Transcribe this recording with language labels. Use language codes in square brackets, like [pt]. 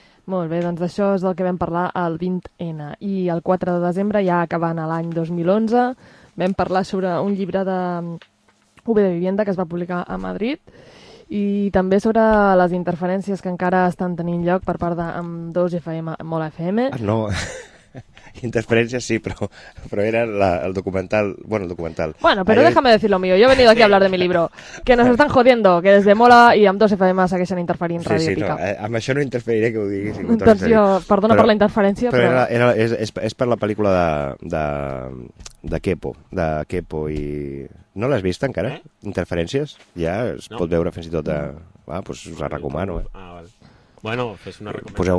[ca] Molt bé, doncs això és del que vam parlar el 20N. I el 4 de desembre, ja acabant l'any 2011, vam parlar sobre un llibre de UB de Vivienda que es va publicar a Madrid i també sobre les interferències que encara estan tenint lloc per part d'Ambdós FM, Mola FM. Ah, no, interferències sí, però era el documental, bueno, el documental. [es] Bueno, pero déjame decir lo mío, yo he venido aquí a hablar de mi libro, que nos están jodiendo, que desde Mola i Ambdós FM [ca] segueixen interferint Radio Pica. Sí, sí, no, amb això no interferiré que ho diguis. Doncs jo, perdona per la interferència, però... Però és per la pel·lícula de Kepo i... No l'has vist encara? Interferències? Ja es pot veure fins i tot a... Va, doncs us la recomano, Ah, vale. Bueno, fes una recomanació.